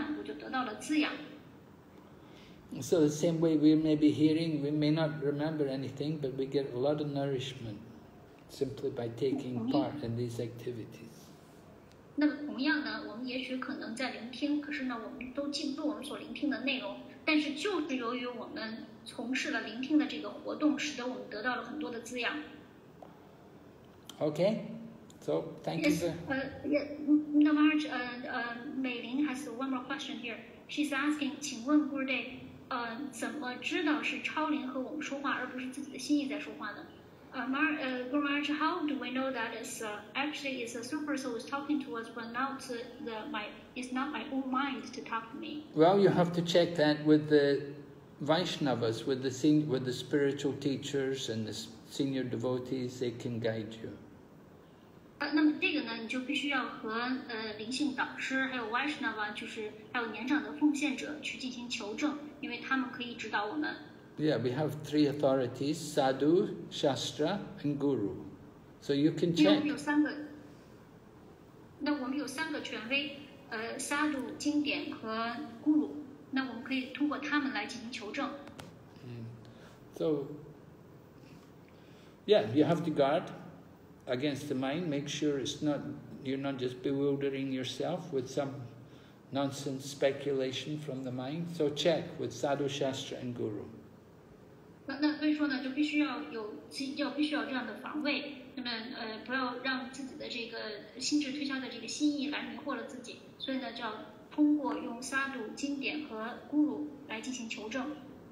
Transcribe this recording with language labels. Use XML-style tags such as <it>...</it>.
<zh>但是呢，因为我也不知道他给我都做了些什么佐料，他是怎么做的。但是呢，我就知道我吃了他给我做的饭，我就得到了滋养。So</zh> <en>the same way we may be hearing, we may not remember anything, but we get a lot of nourishment simply by taking part in these activities.</en> <zh>那么同样呢，我们也许可能在聆听，可是呢，我们都记不住我们所聆听的内容，但是就是由于我们从事了聆听的这个活动，使得我们得到了很多的滋养。</zh> <en>Okay, so thank yes, you. Yes, Maharaj, Meilin has one more question here. She's asking,</en> <zh>请问 Gurudev, 怎么知道是超灵和我们说话，而不是自己的心意在说话呢?</zh> <en>Guru Maharaj, how do we know that it's actually it's a super soul is talking to us, but not the my it's not my own mind to talk to me? Well, you have to check that with the Vaishnavas, with the spiritual teachers and the senior devotees. They can guide you.</en> <zh>那么这个呢，你就必须要和灵性导师，还有 Vaishnava， 就是还有年长的奉献者去进行求证，因为他们可以指导我们。</zh> <en>Yeah, we have three authorities: Sadhu, Shastra, and Guru. So you can check.</en> <zh>我们有三个。那我们有三个权威，Sadhu 经典和 Guru。那我们可以通过他们来进行求证。</zh> <en>So, yeah, you have to guard against the mind. Make sure it's not you're not just bewildering yourself with some nonsense speculation from the mind. So check with Sadhu, Shastra, and Guru.</en> <zh>那所以说呢，就必须要有要必须要这样的防卫。那么不要让自己的这个心智推销的这个心意来迷惑了自己。所以呢，就要通过用沙度经典和咕噜来进行求证。</zh>